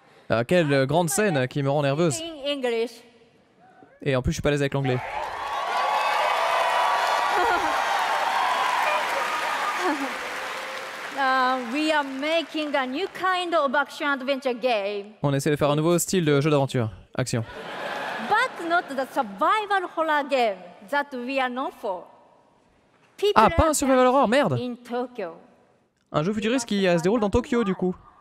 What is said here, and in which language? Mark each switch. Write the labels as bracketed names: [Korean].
[French] Ah, quelle grande scène qui me rend nerveuse. Et en plus, je suis pas à l'aise avec l'anglais. [English] We are making a new kind of action adventure game. [French] On essaie de faire un nouveau style de jeu d'aventure, action. [English] But not the survival horror game that we are known for. [French] People ah, pas un survival horror, merde. [English] In Tokyo. [French] Un jeu futuriste qui se déroule dans Tokyo, du coup.